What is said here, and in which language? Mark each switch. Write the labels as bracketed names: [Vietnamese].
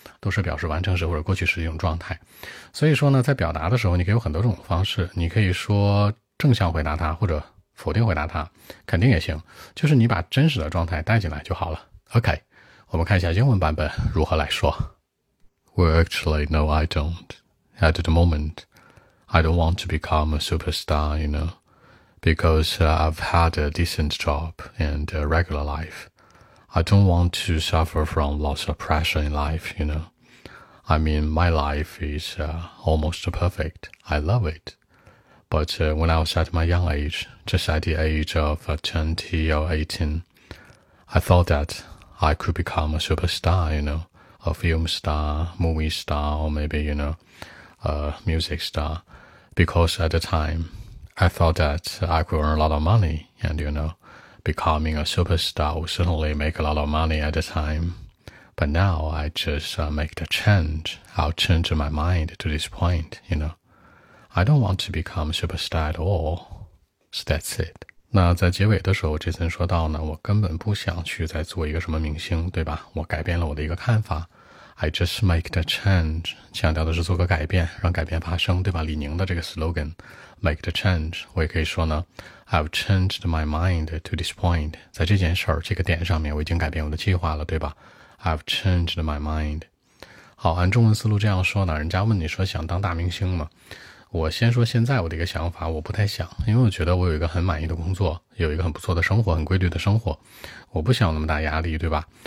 [Chinese] 都是表示完成时或者过去时的一种状态。所以说呢，在表达的时候你可以有很多种方式。你可以说正向回答它，或者否定回答他，肯定也行，就是你把真实的状态带进来就好了。 OK, 我们看一下英文版本如何来说。 [English] Well, actually, no, I don't. At the moment, I don't want to become a superstar, you know, because I've had a decent job and a regular life. I don't want to suffer from lots of pressure in life, you know. I mean, my life is almost perfect. I love it. But when I was at my young age, just at the age of 20 or 18, I thought that I could become a superstar, you know, a film star, movie star, or maybe, you know, a music star. Because at the time, I thought that I could earn a lot of money. And, you know, becoming a superstar would certainly make a lot of money at the time. But now I just make the change. I'll change my mind to this point, you know. I don't want to become a superstar at all. So that's it. [Chinese] 那在结尾的时候，这次说到呢，我根本不想去再做一个什么明星，对吧？我改变了我的一个看法。 [English] I just make the change. [Chinese] 强调的是做个改变，让改变发生，对吧？李宁的这个 slogan, [English] make the change. [Chinese] 我也可以说呢， [English] I've changed my mind to this point. [Chinese] 在这件事儿这个点上面，我已经改变我的计划了，对吧？ [English] I've changed my mind. [Chinese] 好，按中文思路这样说呢，人家问你说想当大明星吗？我先说现在我的一个想法，我不太想，因为我觉得我有一个很满意的工作，有一个很不错的生活，很规律的生活，我不想有那么大压力，对吧？